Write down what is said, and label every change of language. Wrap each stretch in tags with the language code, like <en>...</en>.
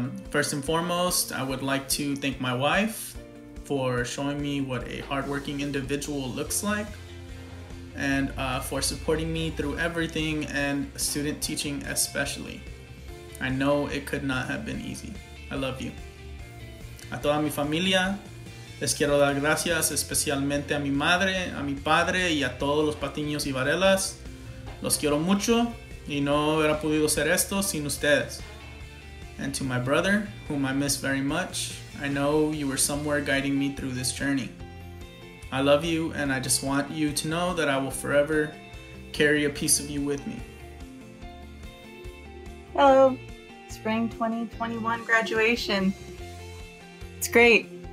<en>First and foremost, I would like to thank my wife for showing me what a hardworking individual looks like, and for supporting me through everything, and student teaching especially. I know it could not have been easy. I love you.</en> <es>A toda mi familia, les quiero dar gracias especialmente a mi madre, a mi padre y a todos los Patiños y Varelas. Los quiero mucho y no hubiera podido hacer esto sin ustedes.</es> <en>And to my brother, whom I miss very much, I know you were somewhere guiding me through this journey. I love you, and I just want you to know that I will forever carry a piece of you with me. Hello, spring 2021 graduation. It's great.</en>